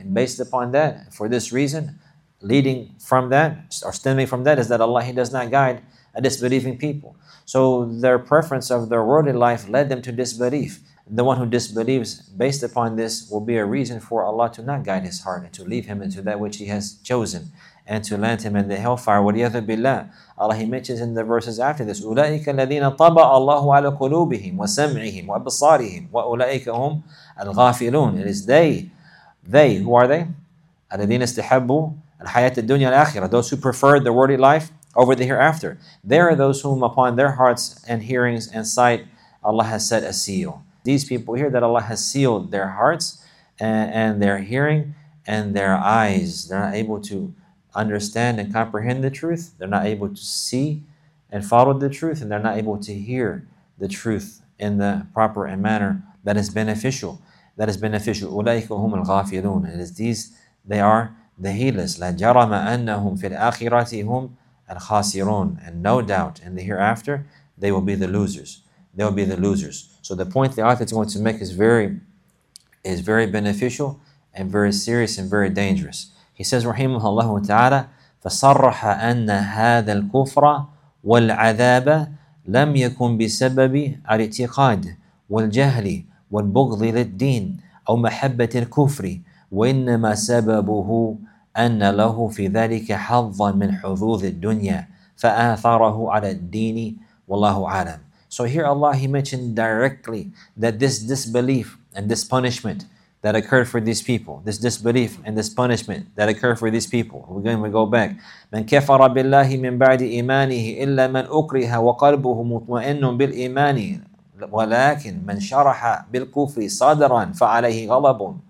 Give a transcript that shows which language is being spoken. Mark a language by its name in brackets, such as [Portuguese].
[English] And based upon that, for this reason, leading from that, or stemming from that, is that Allah, he does not guide a disbelieving people. So their preference of their worldly life led them to disbelief. The one who disbelieves based upon this will be a reason for Allah to not guide his heart and to leave him into that which he has chosen and to land him in the hellfire. [Arabic] وَلِيَذُ بِاللَّهِ. Allah, [English] he mentions in the verses after this, [Arabic] أُولَٰئِكَ الَّذِينَ طَبَعَ اللَّهُ عَلَى قُلُوبِهِمْ وَسَمْعِهِمْ وَأَبْصَارِهِمْ وَأُولَٰئِكَ هُمْ الْغَافِلُونَ. [English] It is they, who are they? [Arabic] الَّذِينَ اسْتَحَبُّوا الْحَيَاةَ الدُّنْيَا الْآخِرَةِ. [English] Those who preferred the worldly life over the hereafter. They are those whom upon their hearts and hearings and sight Allah has set a seal. These people here that Allah has sealed their hearts and their hearing and their eyes. They're not able to understand and comprehend the truth. They're not able to see and follow the truth. And they're not able to hear the truth in the proper and manner that is beneficial. That is beneficial. [Arabic] أُولَٰئِكَ هُمُ الْغَافِلُونَ. [English] It is these, they are the heedless. [Arabic] لَا جَرَمَ أَنَّهُمْ فِي الْآخِرَةِ هُمْ الْخَاسِرُونَ. [English] And no doubt, in the hereafter, they will be the losers. They will be the losers. So the point the author is going to make is very beneficial and very serious and very dangerous. He says, [Arabic] رحمه الله تعالى فصرح أن هذا الكفر والعذاب لم يكن بسبب الاعتقاد والجهل والبغض للدين أو محبة الكفر وإنما سببه أن له في ذلك حظا من حظوظ الدنيا فآثره على الدين والله عالم. [English] So here Allah, he mentioned directly that this disbelief and this punishment that occurred for these people, this disbelief and this punishment that occurred for these people. We're going to go back. [Arabic] مَنْ كَفَرَ بِاللَّهِ مِنْ بَعْدِ إِيمَانِهِ إِلَّا مَنْ أُقْرِهَ وَقَلْبُهُ مُطْمَئِنٌ بِالْإِيمَانِ وَلَكِنْ مَنْ شَرَحَ بِالْكُفْرِ صَدْرًا فَعَلَيْهِ غَضَبٌ